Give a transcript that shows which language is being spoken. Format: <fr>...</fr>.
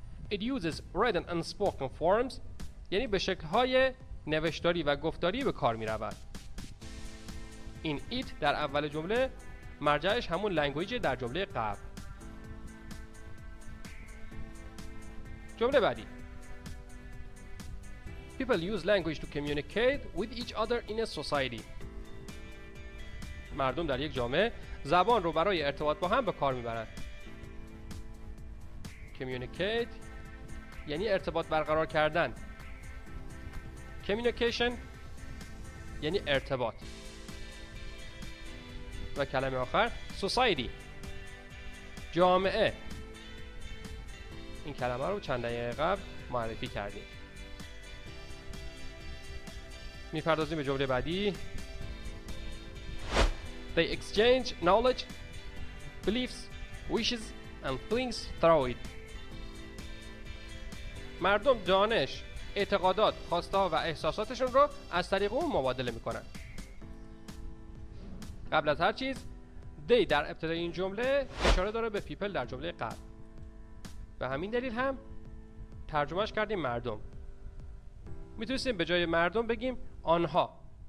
<en>It uses written and spoken forms</en> <fa>یعنی به شکل‌های نوشتاری و گفتاری به کار می رود. این it در اول جمله مرجعش همون language در جمله قبل. جمله بعدی،</fa> <en>People use language to communicate with each other in a society.</en> <fa>مردم در یک جامعه زبان رو برای ارتباط با هم به کار میبرند. Communicate یعنی ارتباط برقرار کردن. Communication یعنی ارتباط. و کلمه آخر، Society، جامعه. این کلمه رو چند دقیقه قبل معرفی کردیم. میپردازیم به جمله بعدی.</fa> <en>They exchange knowledge, beliefs, wishes and things through it.</en> <fa>مردم دانش، اعتقادات، خواسته‌ها و احساساتشون رو از طریق اون مبادله میکنن. قبل از هر چیز، they در ابتدای این جمله اشاره داره به people در جمله قبل. به همین دلیل هم ترجمهش کردیم مردم. میتونستیم به جای مردم بگیم آنها.</fa>